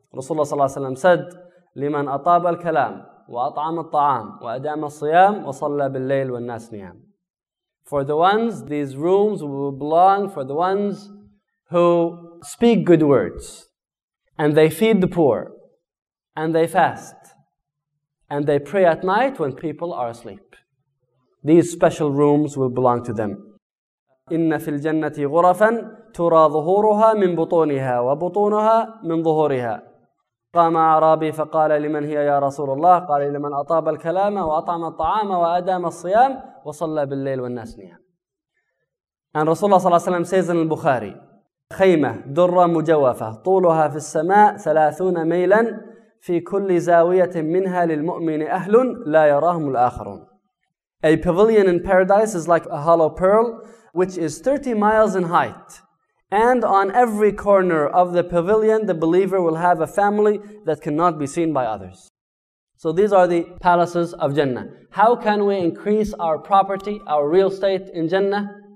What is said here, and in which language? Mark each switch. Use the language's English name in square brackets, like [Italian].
[English] Rasulullah sallallahu alayhi wa sallam said, [Arabic] لِمَنْ أَطَابَ الْكَلَامِ وَأَطْعَمَ الطَّعَامِ وَأَدَامَ الصِّيَامِ وَصَلَّى بِاللَّيْلِ وَالنَّاسِ نِيَامِ. [English] For the ones, these rooms will belong for the ones who speak good words, and they feed the poor, and they fast, and they pray at night when people are asleep. These special rooms will belong to them. [Arabic] إِنَّ فِي الْجَنَّةِ غُرَفًا تُرَى ظُهُورُهَا مِنْ بُطُونِهَا وَبُطُونُهَا مِنْ ظُهُورِهَا. قام أعرابي فقال لمن هي يا رسول الله قال لمن أطاب الكلام وأطعم الطعام وأدام الصيام وصلى بالليل والناس نيام. [English] And Rasulullah [Arabic] صلى الله عليه وسلم [English] says in [Arabic] البخاري, خيمة درة مجوفة طولها في السماء 30 ميلا في كل زاوية منها للمؤمن أهل لا يراهم الآخرون. [English] A pavilion in paradise is like a hollow pearl which is 30 miles in height. And on every corner of the pavilion, the believer will have a family that cannot be seen by others. So these are the palaces of Jannah. How can we increase our property, our real estate in Jannah?